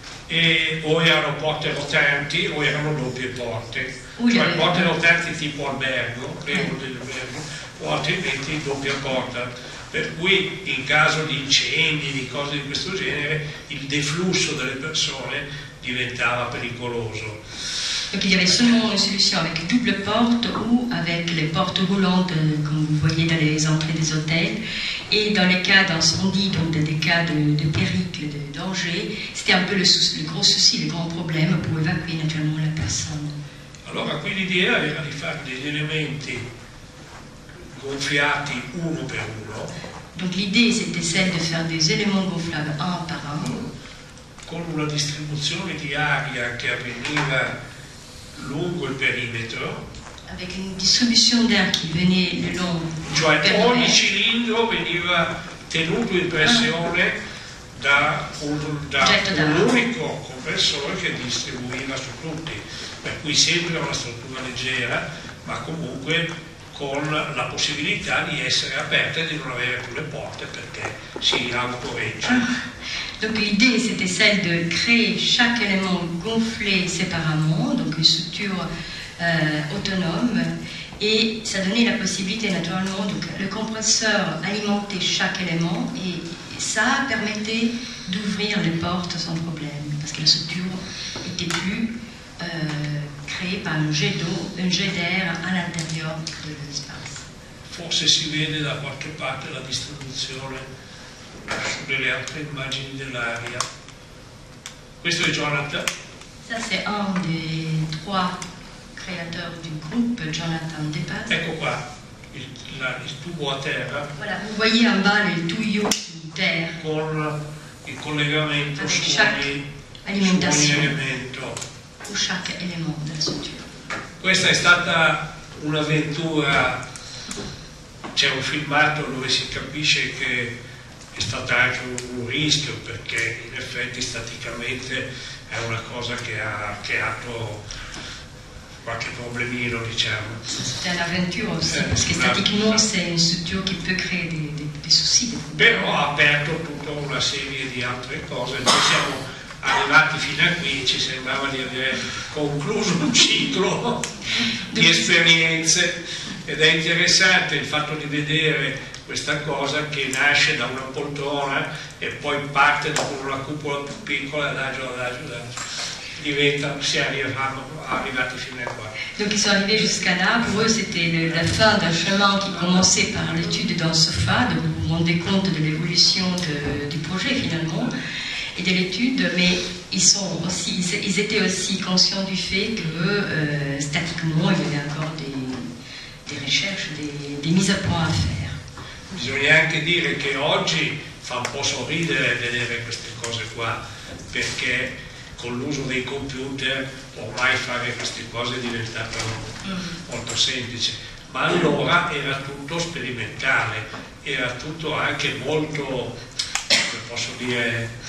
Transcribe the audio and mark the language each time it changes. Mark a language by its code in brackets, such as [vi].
[it] E o erano porte rotanti o erano doppie porte, cioè porte rotanti tipo albergo, albergo, o altrimenti doppia porta, per cui in caso di incendi, di cose di questo genere, il deflusso delle persone diventava pericoloso. [fr] Donc il y avait seulement une solution avec double porte ou avec les portes roulantes comme vous voyez dans les entrées des hôtels. Et dans les cas d'incendie, donc dans des cas de périple, de danger, c'était un peu le gros souci, le grand problème pour évacuer naturellement la personne. [it] Alors, qui l'idée era di fare degli elementi gonfiati uno per uno. [fr] Donc l'idée c'était celle de faire des éléments gonflables un par un. [it] Con una distribuzione di aria che avveniva lungo il perimetro, [fr] avec une distribution d'air qui venait le long, [it] cioè ogni cilindro veniva tenuto in pressione da un unico compressore che distribuiva su tutti, per cui sempre una struttura leggera, ma comunque con la possibilità di essere aperta e di non avere più le porte perché si autoreggia. [fr] Donc l'idée c'était celle de créer chaque élément gonflé séparément, donc une structure autonome, et ça donnait la possibilité naturellement, donc le compresseur alimentait chaque élément et ça permettait d'ouvrir les portes sans problème, parce que la structure n'était plus créée par un jet d'air à l'intérieur de l'espace. [it] Forse si vede da qualche parte la distribuzione sulle altre immagini dell'aria. Questo è Jonathan. [fr] Ça c'est un des trois créateurs du groupe, Jonathan Depas. [it] Ecco qua, il tubo a terra. [fr] Voilà, vous voyez en bas le tuyau [it] di terra. Con il collegamento su ogni elemento della struttura. Questa è stata un'avventura. C'è un filmato dove si capisce che è stato anche un rischio, perché in effetti staticamente è una cosa che ha creato qualche problemino, diciamo. C'è un'avventura aussi, perché staticamente c'è una struttura che può creare dei soucis. Però ha aperto tutta una serie di altre cose. Noi siamo arrivati fino a qui, ci sembrava di aver concluso un ciclo di esperienze. Ed è interessante il fatto di vedere questa cosa che nasce da una poltrona e poi parte da una cupola più piccola, adagio, diventa, si arrivano arrivati fino a qua. [fr] Donc ils sont arrivés jusqu'à là, pour eux c'était la fin d'un chemin qui commençait par l'étude d'un sofa, donc vous vous rendez compte de l'évolution du projet finalement, et de l'étude, mais ils étaient aussi conscients du fait que statiquement il y avait encore des recherches, des mises à point à faire. [it] Bisogna anche dire che oggi fa un po' sorridere vedere queste cose qua, perché con l'uso dei computer ormai fare queste cose è diventato molto semplice, ma allora era tutto sperimentale, era tutto anche molto, come posso dire,